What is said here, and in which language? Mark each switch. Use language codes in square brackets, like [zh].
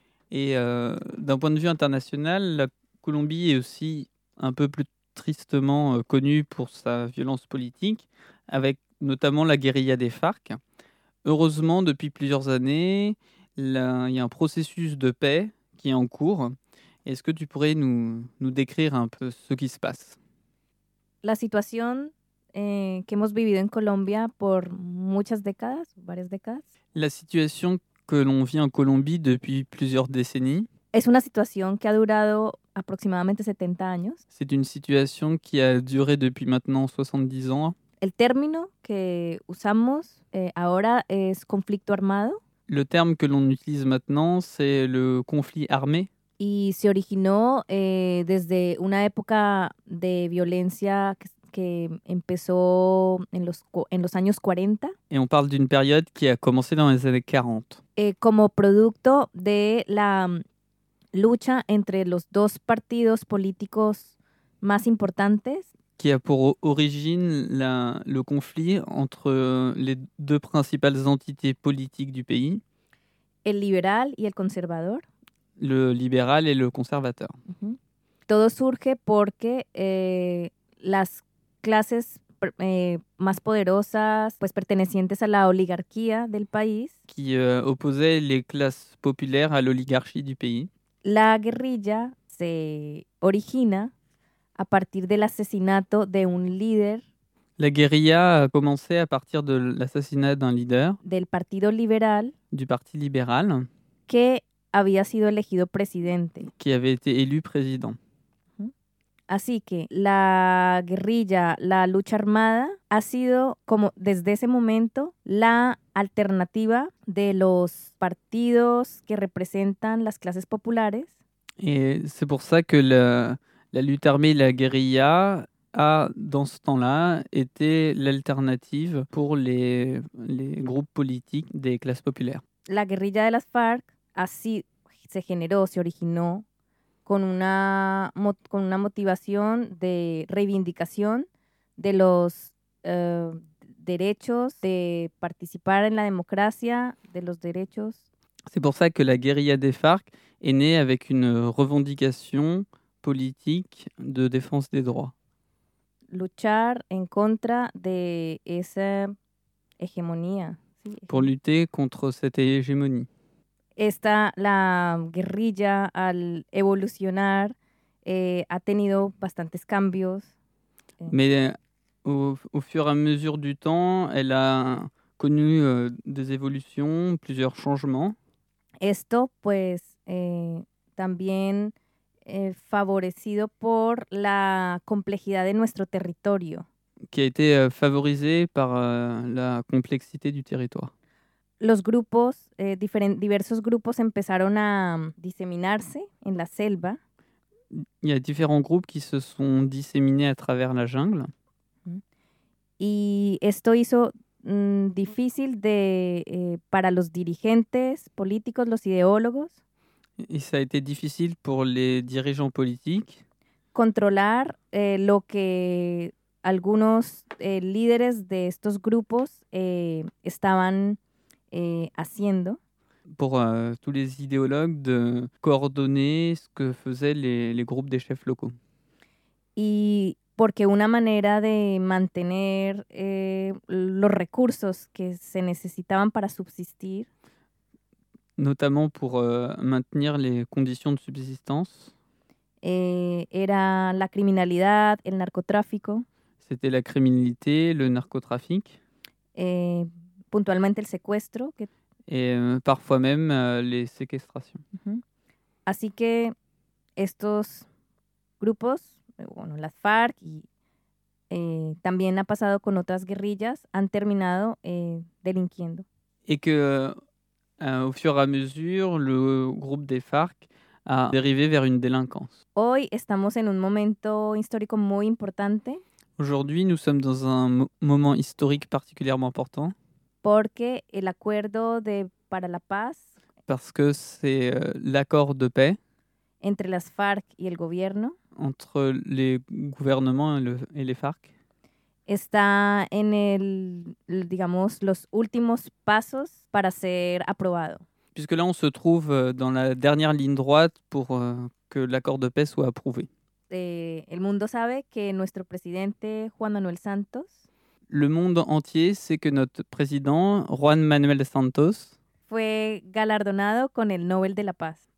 [fr] Et d'un point de vue international, la Colombie est aussi un peu plus tristement connue pour sa violence politique, avec notamment la guérilla des FARC. Heureusement, depuis plusieurs années, il y a un processus de paix qui est en cours. Est-ce que tu pourrais nous décrire un peu ce qui se passe? [es] La situation que hemos vivido en Colombia por muchas décadas, varias décadas. [fr] La situation que l'on vit en Colombie depuis plusieurs décennies. [es] Es una situación que ha durado aproximadamente 70 años. [fr] C'est une situation qui a duré depuis maintenant 70 ans. [es] El término que usamos ahora es conflicto armado. [fr] Le terme que l'on utilise maintenant, c'est le conflit armé. [es] Y se originó desde una época de violencia que empezó en los años 40. [fr] Et on parle d'une période qui a commencé dans les années 40. [es] Como producto de la lucha entre los dos partidos políticos más importantes. [fr] Qui a pour origine le conflit entre les deux principales entités politiques du pays. [es] El liberal y el conservador. [fr] Le libéral et le conservateur. Uh-huh. [es] Todo surge porque las clases más poderosas, pues pertenecientes a la oligarquía del país. [fr] Qui opposait les classes populaires à l'oligarchie du pays. [es] La guerrilla se origina a partir del asesinato de un líder. [fr] La guerrilla a comencé a partir de l'assassinat d'un leader. [es] Del Partido Liberal. [fr] Du Parti Libéral. [es] Que había sido elegido presidente. [fr] Qui avait été élu président. [es] Así que la guerrilla, la lucha armada, ha sido como desde ese momento la alternativa de los partidos que representan las clases populares. [fr] Et c'est pour ça que la lutte armée, la guérilla, a, dans ce temps-là, été l'alternative pour les groupes politiques des classes populaires. [es] La guerrilla de las FARC así se generó, se originó con una motivación de reivindicación de los derechos de participar en la democracia, de los derechos. [fr] C'est pour ça que la guérilla des FARC est née avec une revendication politique de défense des droits. [es] Luchar en contra de esa hegemonía. Sí. [fr] Pour lutter contre cette hégémonie. [es] Esta la guerrilla al evolucionar ha tenido bastantes cambios. [fr] Mais au fur et à mesure du temps, elle a connu des évolutions, plusieurs changements. [es] Esto pues también favorecido por la complejidad de nuestro territorio. [fr] Qui a été favorisé par la complexité du territoire. [es] Los grupos, diversos grupos empezaron a diseminarse en la selva. [fr] Il y a différents groupes qui se sont disséminés à travers la jungle. [es] Y esto hizo difícil de para los dirigentes políticos, los ideólogos. [fr] Et ça a été difficile pour les dirigeants politiques. [es] controlar lo que algunos líderes de estos grupos estaban haciendo. [fr] Pour tous les idéologues de coordonner ce que faisaient les groupes des chefs locaux. [es] Y porque una manera de mantener los recursos que se necesitaban para subsistir. [fr] Notamment pour maintenir les conditions de subsistance. [es] Era la criminalidad, el narcotráfico, [fr] C'était la criminalité, le narcotrafic. [es] puntualmente el secuestro. [fr] Que... Et parfois même les séquestrations. [es] Así que estos grupos, bueno, las FARC, y también ha pasado con otras guerrillas, han terminado delinquiendo. [fr] Et que, au fur et à mesure, le groupe des FARC a dérivé vers une délinquance. [es] Hoy estamos en un momento histórico muy importante [fr] Aujourd'hui, nous sommes dans un moment historique particulièrement important. [es] porque el acuerdo de para la paz [fr] Parce que c'est l'accord de paix [es] entre las FARC y el gobierno [fr] entre les gouvernements et les FARC. [es] está en el, digamos, los últimos pasos para ser aprobado. [fr] Puisque là, on se trouve dans la dernière ligne droite pour que l'accord de paix soit approuvé. [es] El mundo sabe que nuestro presidente Juan Manuel Santos [fr] Le monde entier sait que notre président, Juan Manuel Santos, [es] fue galardonado con el Nobel de la Paz.